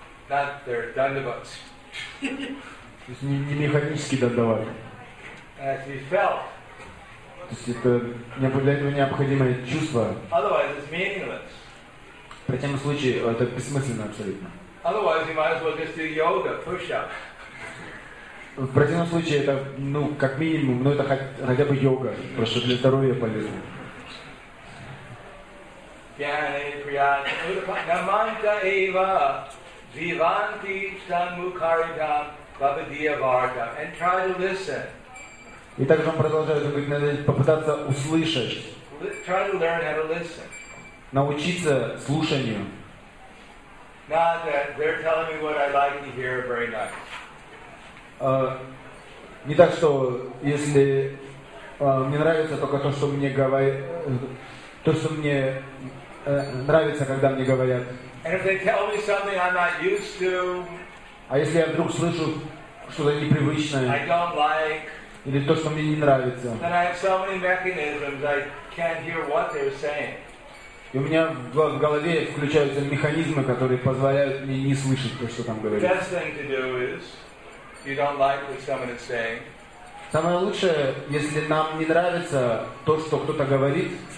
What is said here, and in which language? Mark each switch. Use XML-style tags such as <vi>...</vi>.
<en>Not their dandavats.</en> <ru>То есть не механически дандават.</ru> <en>As we felt.</en> <ru>То есть это для этого необходимое чувство.</ru> <en>Otherwise it's meaningless.</en> <ru>В противном случае это бессмысленно абсолютно.</ru> <en>Otherwise you might as well just do yoga, push-up.</en> <ru>В противном случае это, ну, как минимум, ну это хотя бы йога, просто для здоровья полезно.</ru> <sa>Yane priyata namanta eva vivanti sammukharitam babadiya varga.</sa> <en>And try to listen.</en> <ru>И также он продолжает говорить, надо попытаться услышать.</ru> <en>Try to learn how to listen.</en> <ru>Научиться слушанию.</ru> <en>Not that they're telling me what I'd like to hear very nice.</en> <ru>Не так, что если мне нравится только то, что мне говорят, то, что мне нравится, когда мне говорят.</ru> <en>And if they tell me something I'm not used to,</en> <ru>а если я вдруг слышу что-то непривычное,</ru> <en>I don't like,</en> <ru>или то, что мне не нравится,</ru> <en>then I have so many mechanisms I can't hear what they're saying.</en> <ru>И у меня в голове включаются механизмы, которые позволяют мне не слышать то, что там говорят.</ru> <en>The best thing to do is, if you don't like what someone is saying,</en> <ru>самое лучшее, если нам не нравится то, что кто-то говорит.</ru>